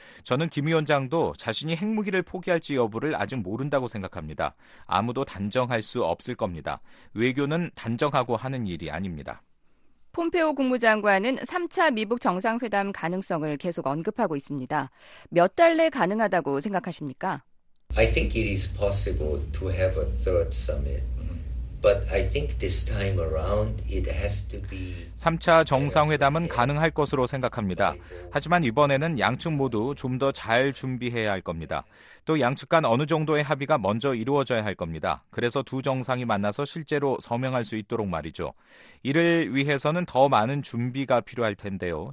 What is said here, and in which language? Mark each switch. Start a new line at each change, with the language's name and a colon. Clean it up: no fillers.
Korean: 저는 김 위원장도 자신이 핵무기를 포기할지 여부를 아직 모른다고 생각합니다. 아무도 단정할 수 없을 겁니다. 외교는 단정하고 하는 일이 아닙니다. 폼페오 국무장관은 3차 미북 정상회담 가능성을 계속 언급하고 있습니다. 몇 달 내 가능하다고 생각하십니까?
English: I think it is possible to have a third summit. But I think this time around it has to be
Korean: 3차 정상회담은 가능할 것으로 생각합니다. 하지만 이번에는 양측 모두 좀 더 잘 준비해야 할 겁니다. 또 양측 간 어느 정도의 합의가 먼저 이루어져야 할 겁니다. 그래서 두 정상이 만나서 실제로 서명할 수 있도록 말이죠. 이를 위해서는 더 많은 준비가 필요할 텐데요.